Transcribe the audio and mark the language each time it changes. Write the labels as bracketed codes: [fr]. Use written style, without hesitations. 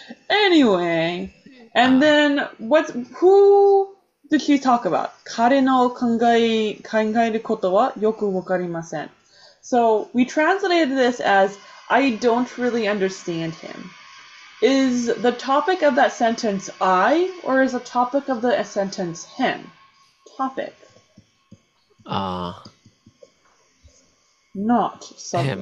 [en] Anyway, and then who did she talk about? [ja] 彼の考えることはよくわかりません。 [en] So we translated this as I don't really understand him. Is the topic of that sentence I, or is the topic of the sentence him? Topic. Not subject.